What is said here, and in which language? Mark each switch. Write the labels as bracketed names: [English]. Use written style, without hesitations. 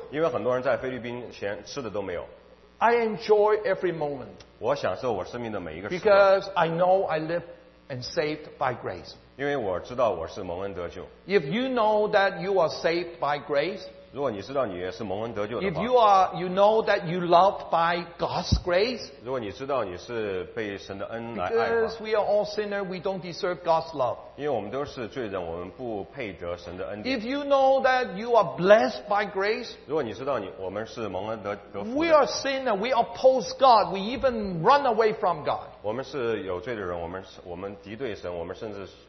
[Chinese] 因为很多人在菲律宾吃的都没有。 [English] I enjoy every moment. [Chinese] 我享受我生命的每一个时刻。 [English] Because I know I live and saved by grace. [Chinese] 因为我知道我是蒙恩得救。 [English] If you know that you are saved by grace, if you are, you know that you loved by God's grace, because we are all sinners, we don't deserve God's love. If you know that you are blessed by grace, we are sinners, we oppose God, we even run away from God. [Chinese] 我们是有罪的人, 我们敌对神, 我们甚至,